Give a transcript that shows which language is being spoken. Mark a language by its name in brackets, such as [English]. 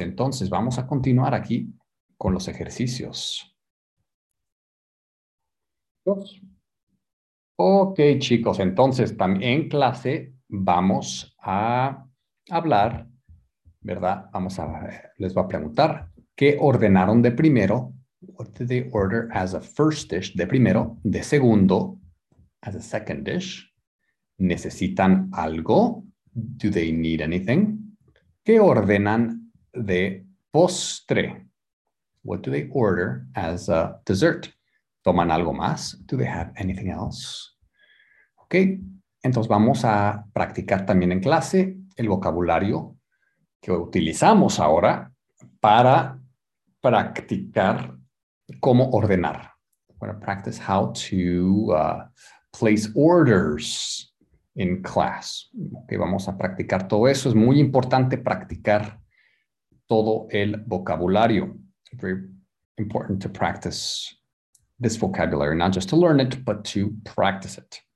[Spanish] Entonces, vamos a continuar aquí con los ejercicios. Ok, chicos. Entonces, también en clase vamos a hablar, ¿verdad? Vamos a, les voy a preguntar. ¿Qué ordenaron de primero? [English] What did they order as a first dish? [Spanish] De primero. De segundo, [English] as a second dish. [Spanish] ¿Necesitan algo? [English] Do they need anything? [Spanish] ¿Qué ordenan de postre? [English] What do they order as a dessert? [Spanish] ¿Toman algo más? [English] Do they have anything else? Ok. [Spanish] Entonces vamos a practicar también en clase el vocabulario que utilizamos ahora para practicar cómo ordenar. [English] We're going to practice how to place orders in class. [Spanish] Okay, vamos a practicar todo eso. Es muy importante practicar todo el vocabulario. [English] Very important to practice this vocabulary, not just to learn it, but to practice it.